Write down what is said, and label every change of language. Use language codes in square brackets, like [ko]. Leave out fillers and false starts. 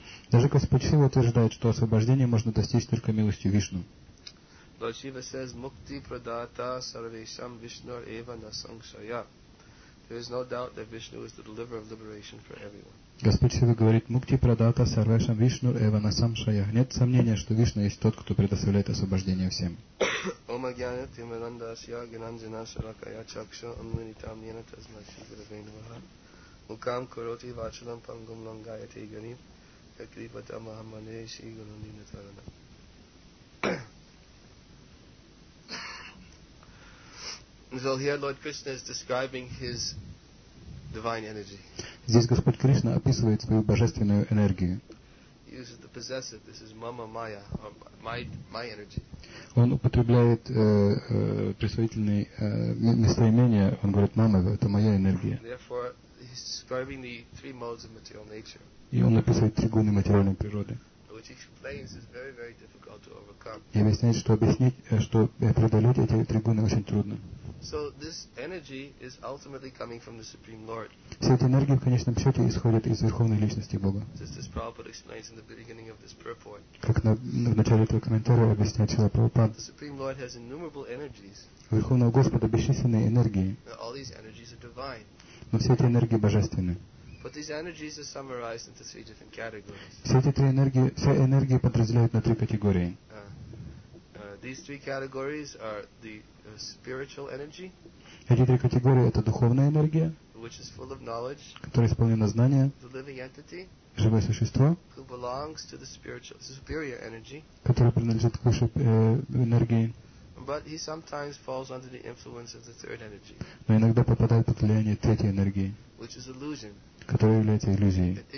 [ru] Даже Господь Шива утверждает, что освобождение можно достичь только милостью Вишну. [en] Lord Shiva says [sa] «Мукти прадата сарвешам Вишнур Эва насангшая». [en] There is no doubt that Vishnu is the deliverer of liberation for everyone. [ru] Господь Шива говорит, [sa] «Мукти прадата сарвешам вишнур эва насамшая». [ru] Нет сомнения, что Вишна есть тот, кто предоставляет освобождение всем. [sa] Ома гьяна тимиранда асья гинанджина шаракая чакшо амунитам нина тазма шивира венуаха. Мукам куроти вачалам пангум лангая тегани. Якрипата махамане шигану нина тарана. [en] So here Lord Krishna is describing his divine energy. [ru] Здесь Господь Кришна описывает свою божественную энергию. [en] He uses the possessive. This is Mama Maya, or my energy. [ru] Он употребляет присвоительные местоимения. Он говорит Мама, это моя энергия. [en] Therefore, he's describing the three modes of material nature. [ru] И он описывает три гуны материальной природы. [en] Which he explains is very, very difficult to overcome. [ru] И объясняет, что преодолеть эти три гуны очень трудно. [en] So this energy is ultimately coming from the Supreme Lord. [ru] Вся эта энергия в конечном счете исходит из Верховной Личности Бога. [en] Just as Prabhupada explains in the beginning of this purport. [ru] Как в начале этого комментария объясняет Шрила Прабхупада. [en] The Supreme Lord has innumerable energies. [ru] У Верховного Господа бесчисленные энергии. [en] All these energies are divine. [ru] Но все эти энергии божественны. [en] But these energies are summarized into three different categories. [ru] Все энергии подразделяют на три категории. [en] These three categories are the spiritual energy. [ru] Эти три категории это духовная энергия, [en] which is full of knowledge, [ru] которая исполнена знания, [en] the living entity, [ru] живое существо, [en] who belongs to the spiritual, superior energy, [ru] которое принадлежит к высшей энергии. [en] But he sometimes falls under the influence of the third energy. [ru] Но иногда попадает под влияние третьей энергии, [en] which is illusion, [ru] которая является иллюзией,